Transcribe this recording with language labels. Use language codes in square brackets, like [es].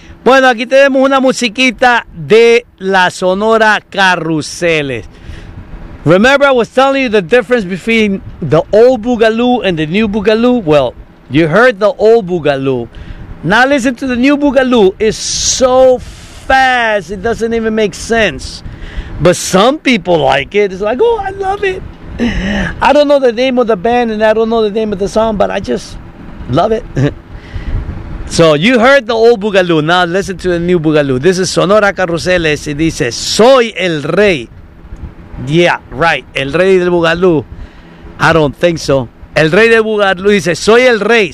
[es] Bueno, aquí tenemos una musiquita de la Sonora Carruseles. [en] Remember I was telling you the difference between the old Boogaloo and the new Boogaloo? Well, you heard the old Boogaloo. Now listen to the new Boogaloo. It's so fast, it doesn't even make sense. But some people like it. It's like, oh, I love it. I don't know the name of the band and I don't know the name of the song, but I just love it. So you heard the old Boogaloo. Now listen to the new Boogaloo. This is Sonora Carruseles. [es] It dice, soy el rey. [en] Yeah, right. [es] El rey del Boogaloo. [en] I don't think so. [es] El rey del Boogaloo dice, soy el rey.